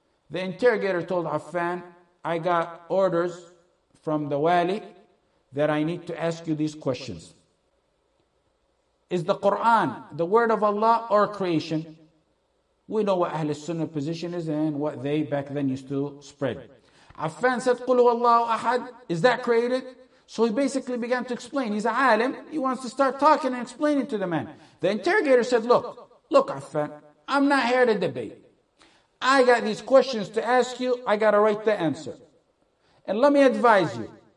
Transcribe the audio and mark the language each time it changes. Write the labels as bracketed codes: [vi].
[en] The interrogator told Affan, I got orders from the wali that I need to ask you these questions. Is the Quran the word of Allah or creation? We know what Ahl Sunnah position is and what they back then used to spread. Affan said, [ar] قُلْ هُوَ اللَّهُ أَحَدٌ. [en] Is that created? So he basically began to explain. He's a alim. He wants to start talking and explaining to the man. The interrogator said, look, Affan, I'm not here to debate. I got these questions to ask you. I got to write the answer. And let me advise you.